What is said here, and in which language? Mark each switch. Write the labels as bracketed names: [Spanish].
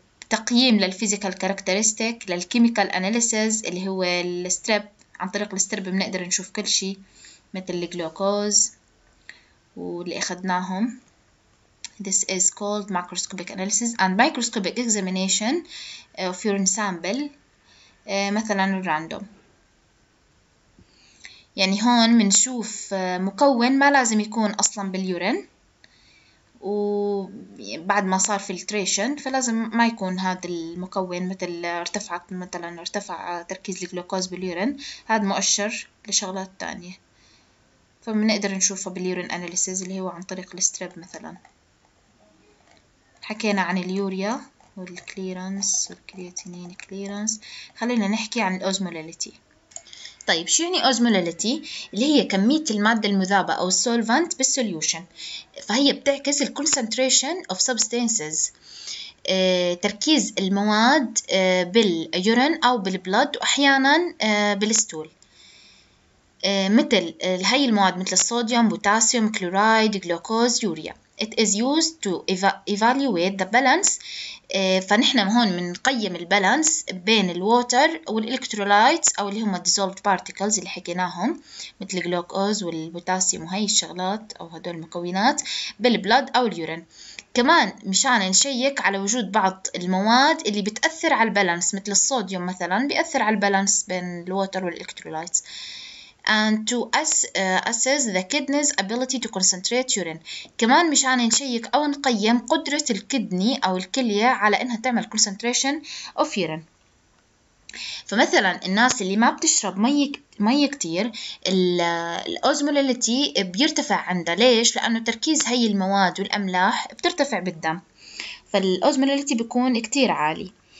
[Arabic] تقييم للphysical characteristic، للchemical analysis اللي هو الستريب. عن طريق الستريب بنقدر نشوف كل شيء مثل الجلوكوز واللي اخذناهم. [English] This is called macroscopic analysis and microscopic examination of urine sample مثلا random. [Arabic] يعني هون منشوف مكون ما لازم يكون اصلا باليورين، وبعد ما صار فلتريشن فلازم ما يكون هذا المكون، مثل ارتفع تركيز الجلوكوز باليورين، هذا مؤشر لشغلات تانية فبنقدر نشوفه باليورين اناليسيز اللي هو عن طريق الستريب. مثلا حكينا عن اليوريا والكليرنس والكرياتينين كليرنس، خلينا نحكي عن الاوزمولاليتي. طيب شو يعني osmolality؟ اللي هي كمية المادة المذابة أو solvent بالsolution، فهي بتعكس ال [English] concentration of substances، [Arabic] تركيز المواد باليورين أو بالبلد وأحيانا بالستول. مثل هاي المواد مثل الصوديوم، بوتاسيوم، كلورايد، جلوكوز، يوريا. [English] It is used to evaluate the balance. [Arabic] فنحن هون منقيم البالانس بين الووتر والإلكترولايتس أو اللي هم [English] dissolved particles [Arabic] اللي حكيناهم مثل الجلوكوز والبوتاسيوم وهي الشغلات أو هدول المكونات بالبلد أو اليورين. كمان مشان نشيك على وجود بعض المواد اللي بتأثر على البالانس مثل الصوديوم مثلا، بيأثر على البالانس بين الووتر والإلكترولايتس. [English] And to assess the kidney's ability to concentrate urine. [Arabic] كمان مشان نشيك أو نقيم قدرة الكدني أو الكلية على إنها تعمل [English] concentration of urine. [Arabic] فمثلاً الناس اللي ما بتشرب مي كتير، الأوزمولاليتي بيرتفع عندها. ليش؟ لأنه تركيز هاي المواد والأملاح بترتفع بالدم، فالأوزمولاليتي بيكون كتير عالي.